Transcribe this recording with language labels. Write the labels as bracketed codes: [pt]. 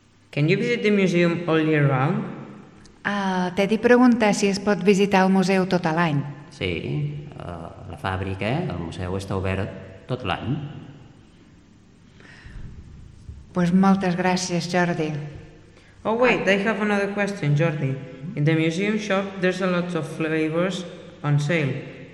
[en] Can you visit the museum all year round? [ca] Teddy pregunta si es pot visitar el museu tot l'any. Sí, la fàbrica, el museu està obert tot l'any. Pues moltes gràcies, Jordi. [en] Oh, wait, I have another question, Jordi. In the museum shop, there's a lot of flavors on sale.